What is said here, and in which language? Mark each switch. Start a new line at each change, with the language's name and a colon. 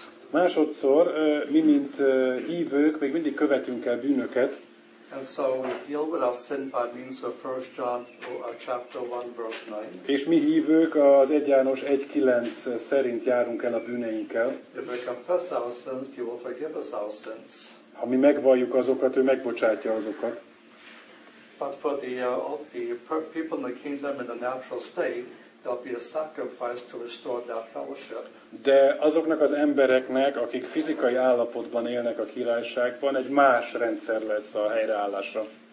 Hungarian: Másodszor, mi mint hívők, még mindig követünk el bűnöket.
English: And so we deal with our sin by means of 1 John chapter 1 verse 9.
Hungarian: És mi hívők az 1 János 1:9 szerint járunk el a bűneinkkel.
English: If we confess our sins, he will forgive us our sins.
Hungarian: Ha mi megvalljuk azokat, ő megbocsátja azokat.
English: But for the people in the kingdom in the natural state, there'll be a sacrifice to restore that fellowship.
Hungarian: De azoknak az embereknek, akik fizikai állapotban élnek a királyságban, egy más rendszer lesz a helyreállásra.